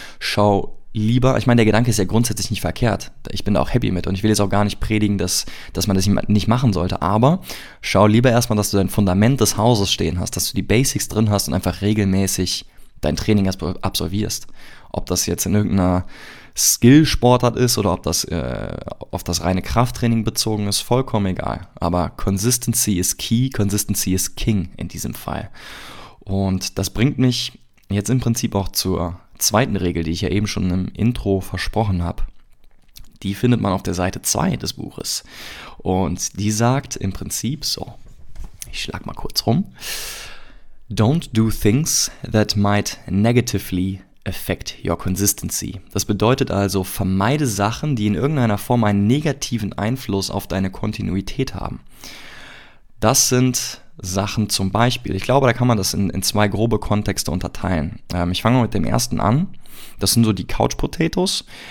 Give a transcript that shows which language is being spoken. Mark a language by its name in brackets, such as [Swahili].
[German] Schau lieber, ich meine, der Gedanke ist ja grundsätzlich nicht verkehrt. Ich bin da auch happy mit und ich will jetzt auch gar nicht predigen, dass man das nicht machen sollte. Aber schau lieber erstmal, dass du dein Fundament des Hauses stehen hast, dass du die Basics drin hast und einfach regelmäßig dein Training absolvierst. Ob das jetzt in irgendeiner Skill-Sportart ist oder ob das auf das reine Krafttraining bezogen ist, vollkommen egal. Aber [English] Consistency is key, Consistency is king [German] in diesem Fall. Und das bringt mich jetzt im Prinzip auch zur zweiten Regel, die ich ja eben schon im Intro versprochen habe. Die findet man auf der Seite 2 des Buches. Und die sagt im Prinzip so, ich schlag mal kurz rum. [English] Don't do things that might negatively affect your consistency. [German] Das bedeutet also, vermeide Sachen, die in irgendeiner Form einen negativen Einfluss auf deine Kontinuität haben. Das sind Sachen zum Beispiel, ich glaube, da kann man das in zwei grobe Kontexte unterteilen. Ich fange mit dem ersten an. Das sind so die Couch-Potatoes.